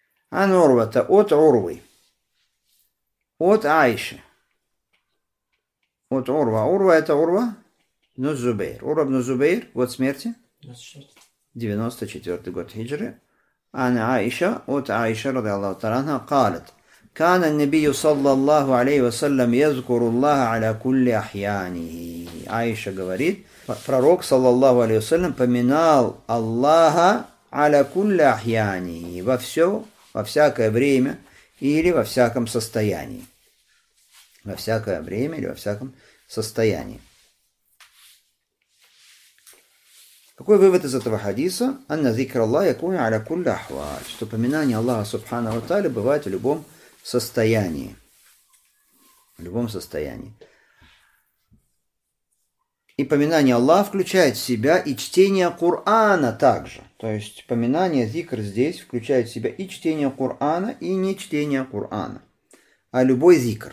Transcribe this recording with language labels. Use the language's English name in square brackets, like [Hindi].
[Russian] Ан Урвата – от Урвы. От Айши. От Урва. Урва – это Урва бен Зубейр. Урва бен Зубейр – год смерти? 94 год хиджры. Ан Айша – от Айша, ради Аллаху Таранха, [Arabic] قالت. كان النبي صلى الله عليه وسلم يذكر الله على كل أحيانه. [Russian] عائشة говорит, пророк [Arabic] صلى الله عليه وسلم [Russian] поминал Аллаха [Arabic] على كل أحيانه, [Russian] во все, во всякое время или во всяком состоянии. Во всякое время или во всяком состоянии. Какой вывод из этого хадиса? [Arabic] Анна зикр Аллах يكون على كل أحوال. [Russian] Что поминание Аллаха [Arabic] سبحانه وتعالى [Russian] бывает в любом состоянии. В любом состоянии. И поминание Аллаха включает в себя и чтение Кур'ана также. То есть поминание зикр здесь включает в себя и чтение Кур'ана, и не чтение Кур'ана. А любой зикр.